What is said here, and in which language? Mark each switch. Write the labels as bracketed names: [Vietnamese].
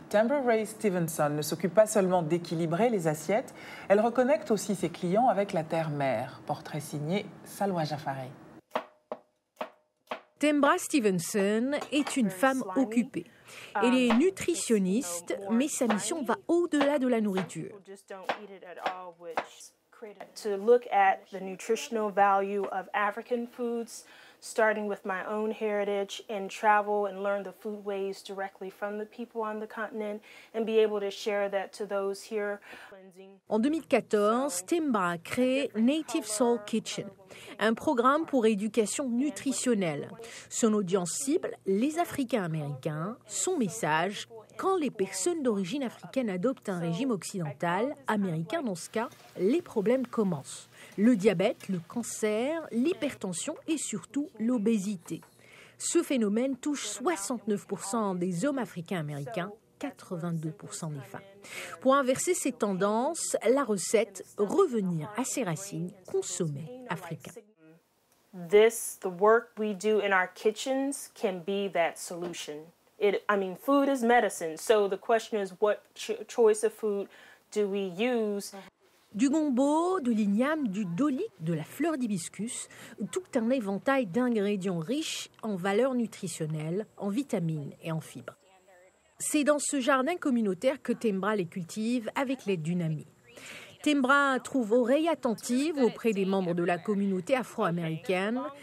[French] Tamber Ray Stevenson ne s'occupe pas seulement d'équilibrer les assiettes, elle reconnecte aussi ses clients avec la terre-mère. Portrait signé Salwa Jafari. Tamber Stevenson est une femme occupée. Elle est nutritionniste, mais sa mission va au-delà de la nourriture. [English] To look at the nutritional value of African foods, starting with my own heritage, and travel and learn the food ways directly from the people on the continent, and be able to share that to those here. [French] En 2014, Timba a créé Native Soul Kitchen, un programme pour éducation nutritionnelle. Son audience cible, les Africains-Américains, son message, quand les personnes d'origine africaine adoptent un régime occidental, américain dans ce cas, les problèmes commencent. Le diabète, le cancer, l'hypertension et surtout l'obésité. Ce phénomène touche 69% des hommes africains-américains, 82% des femmes. Pour inverser ces tendances, la recette, revenir à ses racines, consommer africain. [English] This, the work we do in our kitchens can be that solution. Food is medicine, so the question is what choice of food do we use? [French] Du gombo, de l'igname, du dolik, de la fleur d'hibiscus, tout un éventail d'ingrédients riches en valeurs nutritionnelles, en vitamines et en fibres. C'est dans ce jardin communautaire que Tembra les cultive avec l'aide d'une amie. Tembra trouve oreille attentive auprès des membres de la communauté afro-américaine.